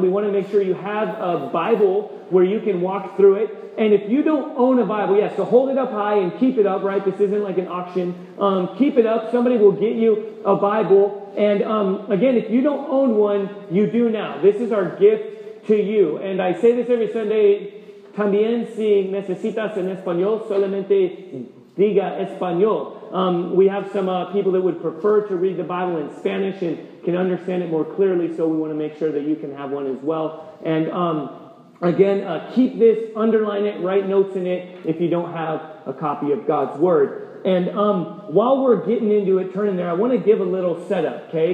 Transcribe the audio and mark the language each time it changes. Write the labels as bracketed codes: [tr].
[en] We want to make sure you have a Bible where you can walk through it. And if you don't own a Bible, yes, so hold it up high and keep it up, right? This isn't like an auction. Keep it up. Somebody will get you a Bible. And again, if you don't own one, you do now. This is our gift to you. And I say this every Sunday, [es] también si necesitas en español, solamente diga español. [en] We have some people that would prefer to read the Bible in Spanish and can understand it more clearly, so we want to make sure that you can have one as well. And again, keep this, underline it, write notes in it if you don't have a copy of God's Word. And while we're getting into it, turning there, I want to give a little setup, okay?